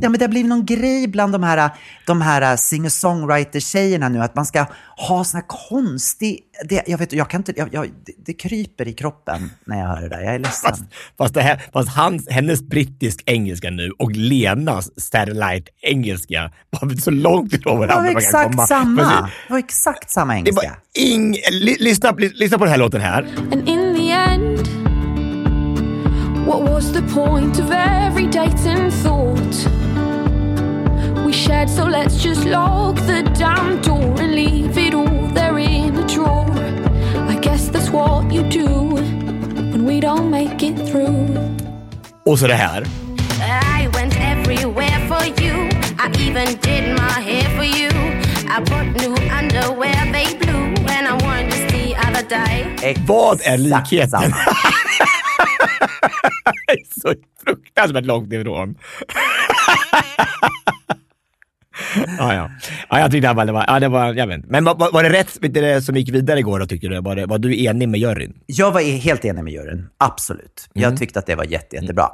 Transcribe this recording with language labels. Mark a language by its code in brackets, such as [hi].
[sv] Ja, men det har blivit någon grej bland de här singer-songwriter-tjejerna nu, att man ska ha sån här konstig, det, jag vet, jag kan inte, det kryper i kroppen när jag hör det där. Jag är ledsen. Hennes brittisk engelska nu och Lenas satellite engelska var så långt ifrån varandra. Det var exakt samma. Det var exakt samma engelska. Det var lyssna på den här låten här. [en] And in the end, what was the point of every date and thought we shared? So let's just lock the damn door and leave it all there in a drawer. I guess that's what you do when we don't make it through. [sv] Och så det här. [en] I went everywhere for you. I even did my hair for you. I bought new underwear, they blue, and I wanted to see other day. [sv] Vad är likheten? Så fruktansvärt långt ifrån. Ja, jag tyckte att det var jag vet. Men var det rätt, vet du, det som gick vidare igår då, tycker du? Var du enig med juryn? Jag var helt enig med juryn, absolut. Jag tyckte att det var jättebra.